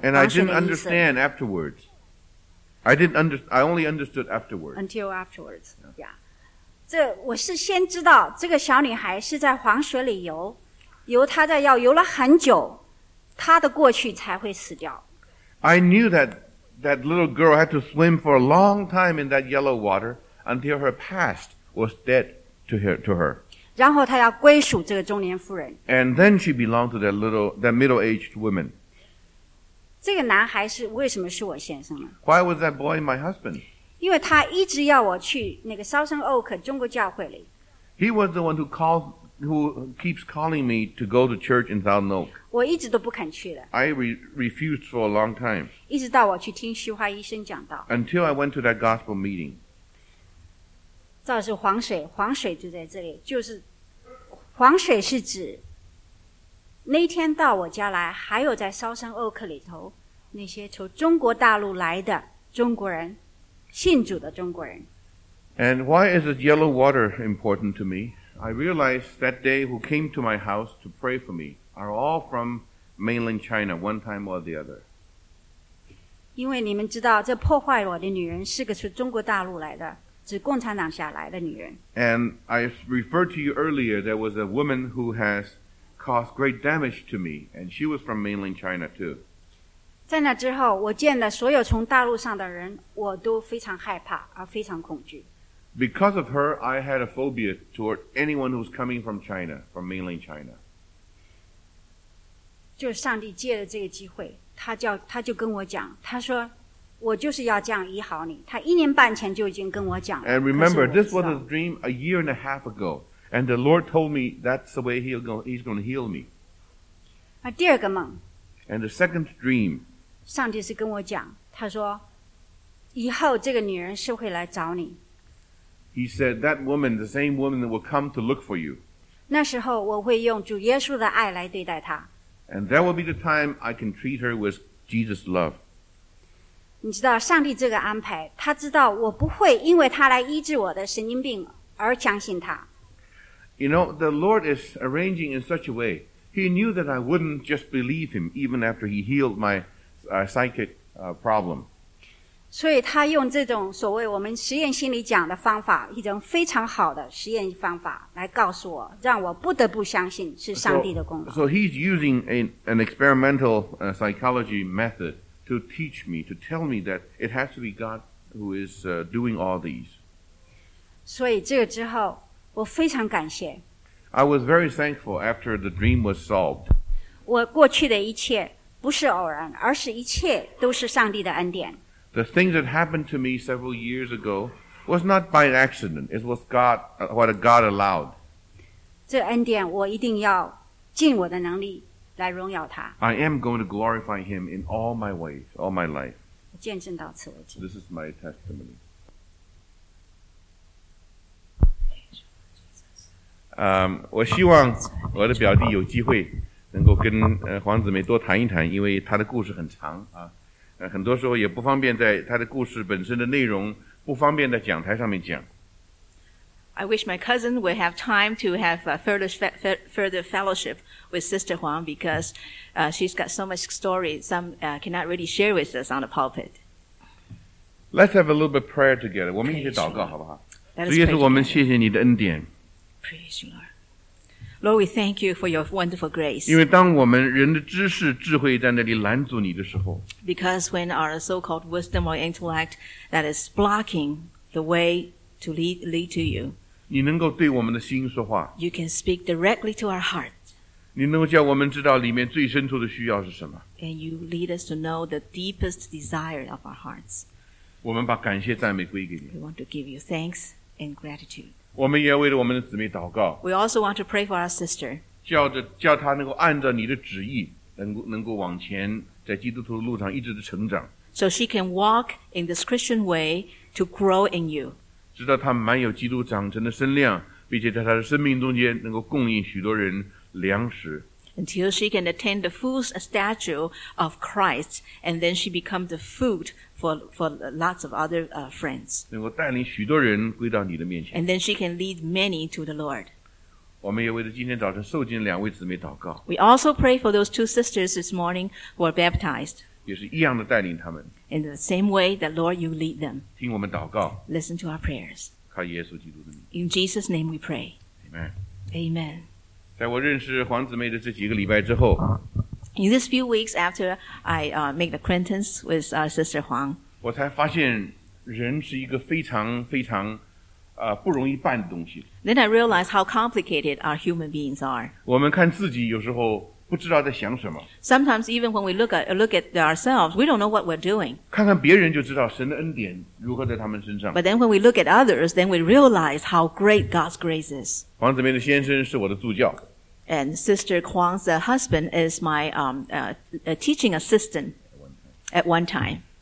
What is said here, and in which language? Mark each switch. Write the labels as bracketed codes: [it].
[en] And I didn't understand afterwards. I only understood afterwards. Until afterwards, yeah. [zh] 这我是先知道这个小女孩是在黄水里游，游她在要游了很久，她的过去才会死掉。 [en] I knew that little girl had to swim for a long time in that yellow water. Until her past was dead to her. [zh] 然后她要归属这个中年妇人。 [en] And then she belonged to that middle-aged woman. [zh] 这个男孩是为什么是我先生呢 [en] ？Why was that boy my husband? [zh] 因为他一直要我去那个 Southern Oak 中国教会里。 [en] He was the one who keeps calling me to go to church in Southern Oak. [zh] 我一直都不肯去的。 [en] I refused for a long time. [zh] 一直到我去听徐华医生讲道。 [en] Until I went to that gospel meeting. [zh] 倒是黄水，黄水就在这里，就是黄水是指那天到我家来，还有在烧山 Oak 里头那些从中国大陆来的中国人，信主的中国人。 [en] And why is this yellow water important to me? I realized that day who came to my house to pray for me are all from mainland China, one time or the other. [zh] 因为你们知道，这破坏我的女人是个从中国大陆来的。是共产党下来的女人。 [en] And I referred to you earlier, there was a woman who has caused great damage to me, and she was from mainland China too. [zh] 在那之后，我见了所有从大陆上的人，我都非常害怕，而非常恐惧。 [en] Because of her, I had a phobia toward anyone who's coming from China, from mainland China. [zh] 就上帝借了这个机会，他就跟我讲，他说。我就是要这样医好你。他一年半前就已经跟我讲了。 [en] And remember, this was a dream a year and a half ago, and the Lord told me that's the way He's going to heal me. [zh] 第二个梦。 [en] And the second dream. [zh] 上帝是跟我讲，他说，以后这个女人是会来找你。 [en] He said that woman, the same woman, will come to look for you. [zh] 那时候我会用主耶稣的爱来对待她。 [en] And that will be the time I can treat her with Jesus' love. [zh] 你知道上帝这个安排，他知道我不会因为他来医治我的神经病而相信他。 [en] You know, the Lord is arranging in such a way. He knew that I wouldn't just believe him even after he healed my psychic problem. [zh] 所以他用这种所谓我们实验心理讲的方法，一种非常好的实验方法来告诉我，让我不得不相信是上帝的功劳。 [en] So he's using an experimental psychology method. To teach me, to tell me that it has to be God who is doing all these. [zh] 所以这个之后，我非常感谢。 [en] I was very thankful after the dream was solved. [zh] 我过去的一切不是偶然，而是一切都是上帝的恩典。 [en] The things that happened to me several years ago was not by accident. It was God, what God allowed. [zh] 这恩典我一定要尽我的能力。来荣耀他。 [en] I am going to glorify him in all my ways, all my life. [zh] 见证到此为止。 [en] This is my testimony. [zh] I 希望我的表弟有机会能够跟黄姊妹多谈一谈，因为他的故事很长啊，很多时候也不方便在他的故事本身的内容不方便在讲台上面讲。 [en] I wish my cousin would have time to have further fellowship with Sister Huang because she's got so much story some cannot really share with us on the pulpit. Let's have a little bit of prayer together. [zh] 我们一起祷告好不好？主耶稣，我们谢谢你的恩典。 [en] Praise you, Lord. Lord, we thank you for your wonderful grace. [zh] 因为当我们人的知识智慧在那里拦阻你的时候 [en] ，Because when our so-called wisdom or intellect that is blocking the way to lead to you. [zh] 你能够对我们的心说话。 [en] You can speak directly to our heart. [zh] 你能够叫我们知道里面最深处的需要是什么。 [en] And you lead us to know the deepest desire of our hearts. [zh] 我们把感谢赞美归给你。 [en] We want to give you thanks and gratitude. [zh] 我们也为了我们的姊妹祷告。 [en] We also want to pray for our sister. [zh] 叫她能够按照你的旨意能够往前在基督徒的路上一直的成长。 [en] So she can walk in this Christian way to grow in you. [zh] 直到她满有基督长成的身量，并且在她的生命中间能够供应许多人粮食。 [en] Until she can attain the full stature of Christ, and then she becomes the food for lots of other friends. [zh] 能够带领许多人归到你的面前。 [en] And then she can lead many to the Lord. [zh] 我们也为着今天早晨受浸两位姊妹祷告。 [en] We also pray for those two sisters this morning who are baptized. [zh] 也是一样的带领他们。 [en] In the same way that Lord you lead them. [zh] 听我们祷告。 [en] Listen to our prayers. [zh] 靠耶稣基督的名。 [en] In Jesus' name we pray. Amen. Amen. [zh] 在我认识黄姊妹的这几个礼拜之后。 [en] In these few weeks after I make the acquaintance with our sister Huang. [zh] 我才发现人是一个非常非常不容易办的东西。 [en] Then I realized how complicated our human beings are. [zh] 我们看自己有时候不知道在想什么。 [en] Sometimes even when we look at ourselves, we don't know what we're doing. [zh] 看看别人就知道神的恩典如何在他们身上。 [en] But then when we look at others, then we realize how great God's grace is. [zh] 黄姊妹的先生是我的助教。 [en] And Sister Huang's husband is my teaching assistant at one time.